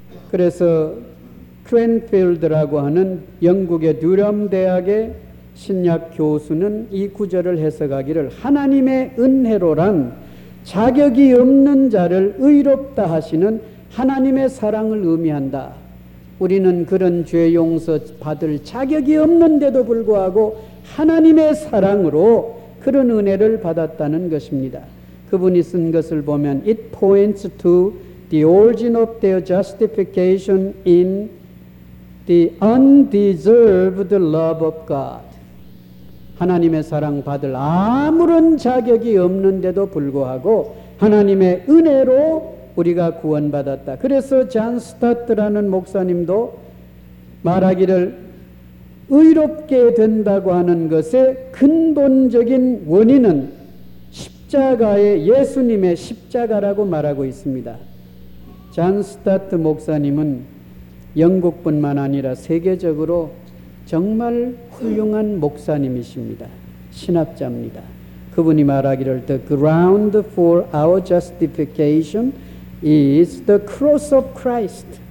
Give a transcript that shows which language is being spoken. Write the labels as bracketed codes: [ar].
[ko] 그래서 크랜필드라고 하는 영국의 듀럼 대학의 신약 교수는 이 구절을 해석하기를 하나님의 은혜로란 자격이 없는 자를 의롭다 하시는 하나님의 사랑을 의미한다. 우리는 그런 죄 용서 받을 자격이 없는데도 불구하고 하나님의 사랑으로 그런 은혜를 받았다는 것입니다. 그분이 쓴 것을 보면 [en] It points to the origin of their justification in the undeserved love of God. [ko] 하나님의 사랑 받을 아무런 자격이 없는데도 불구하고 하나님의 은혜로 우리가 구원받았다. 그래서 잔 스타트라는 목사님도 말하기를 의롭게 된다고 하는 것의 근본적인 원인은 십자가의 예수님의 십자가라고 말하고 있습니다. 잔 스타트 목사님은 영국뿐만 아니라 세계적으로 정말 훌륭한 목사님이십니다. 신학자입니다. 그분이 말하기를 [en] The ground for our justification is the cross of Christ.